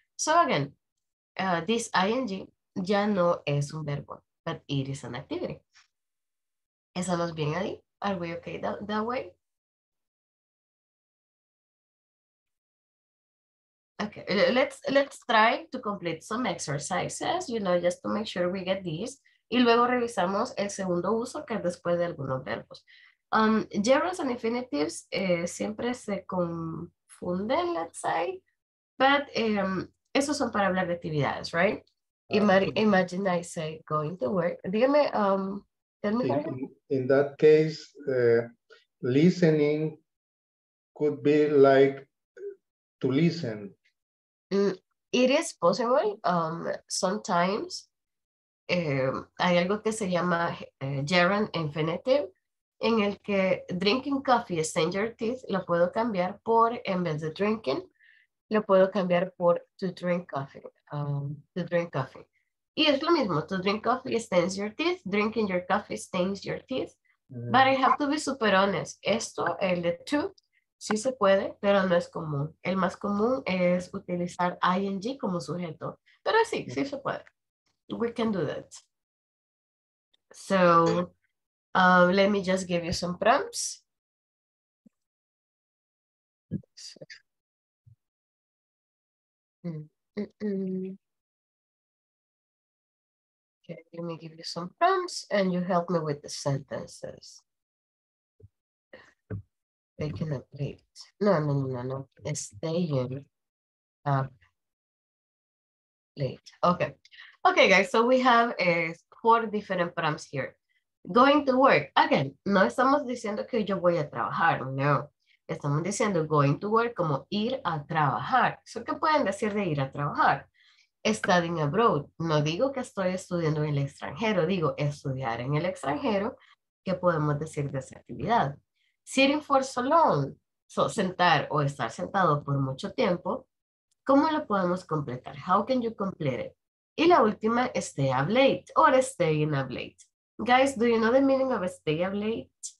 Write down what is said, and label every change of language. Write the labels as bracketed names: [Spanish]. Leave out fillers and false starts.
[English] So, again, this ing [Spanish] ya no es un verbo, [English] but it is an activity. [Spanish] ¿Estamos bien ahí? [English] Are we okay that way? Okay, let's try to complete some exercises, you know, just to make sure we get this. [Spanish] Y luego revisamos el segundo uso, que es después de algunos verbos. [English] Gerunds and infinitives [Spanish] siempre se confunden, [English] let's say, but [Spanish] esos son para hablar de actividades, [English] right? Imagine I say going to work. [Spanish] Dígame, [English] tell me. In that case, listening could be like to listen. It is possible. Sometimes, [Spanish] hay algo que se llama gerund infinitive, en el que [English] drinking coffee stains your teeth, [Spanish] lo puedo cambiar por, en vez de drinking, lo puedo cambiar por [English] to drink coffee, to drink coffee. [Spanish] Y es lo mismo, [English] to drink coffee stains your teeth, drinking your coffee stains your teeth. Mm. But I have to be super honest, [Spanish] esto, el de to, sí se puede, pero no es común. El más común es utilizar ing como sujeto, pero sí, sí se puede. [English] We can do that. So, let me just give you some prompts. Okay, let me give you some prompts and you help me with the sentences. Taking a plate. No. Staying up late. Okay. Okay, guys, so we have four different prompts here. Going to work. [Spanish] Again, no estamos diciendo que yo voy a trabajar, no. Estamos diciendo [English] going to work [Spanish] como ir a trabajar. So, ¿qué pueden decir de ir a trabajar? [English] Studying abroad. [Spanish] No digo que estoy estudiando en el extranjero, digo estudiar en el extranjero. ¿Qué podemos decir de esa actividad? [English] Sitting for so long, so [Spanish] sentar o estar sentado por mucho tiempo, ¿cómo lo podemos completar? [English] How can you complete it? [Spanish] Y la última, [English] stay up late or staying up late. Guys, do you know the meaning of stay up late?